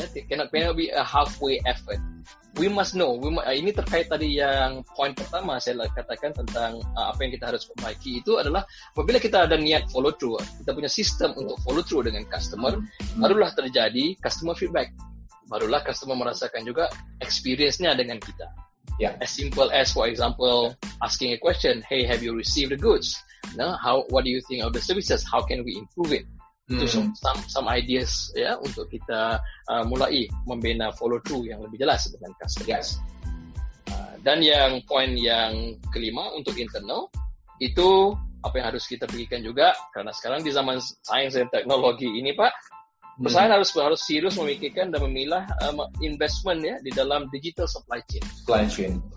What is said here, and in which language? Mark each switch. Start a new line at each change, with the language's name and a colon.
English: Cannot be a halfway effort. We must know.
Indonesian: Ini terkait tadi yang poin pertama saya katakan tentang apa yang kita harus perbaiki itu adalah apabila kita ada niat follow through, kita punya sistem untuk follow through dengan customer, barulah terjadi customer feedback. Barulah customer merasakan juga experience-nya dengan kita.
English: As simple as, for example, asking a question, hey, have you received the goods? What do you think of the services? How can we improve it?
Indonesian: Itu
English: some ideas
Indonesian: untuk kita mulai membina follow through yang lebih jelas dengan customer. Dan yang poin yang kelima untuk internal itu apa yang harus kita pikirkan juga, karena sekarang di zaman sains dan teknologi ini, Pak, perusahaan harus serius memikirkan dan memilah investment di dalam digital supply chain.